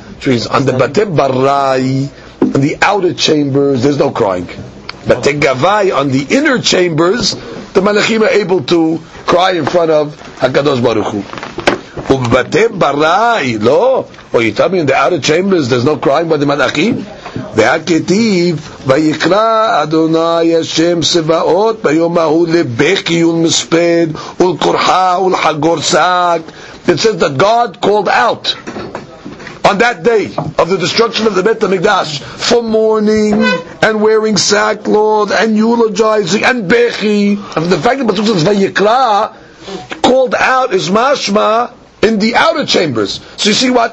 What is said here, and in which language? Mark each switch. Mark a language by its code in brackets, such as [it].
[en] So he's on the bate barai, in the outer chambers, there's no crying. Bate gavai, on the inner chambers, the Malachim are able to cry in front of HaKadosh Baruch Hu. Ubate barai, lo? Oh, you tell me in the outer chambers there's no crying by the Malachim? [he] והכתיב ויקרא אדוני השם סבאות ביום ההוא לבכי ולמספד ולקורחה ולחגור שק. [en] It says that God called out on that day of the destruction of the Beit HaMikdash for mourning and wearing sackcloth and eulogizing and bechi. And the fact that it says ויקרא, called out, is mashma in the outer chambers. So you see what?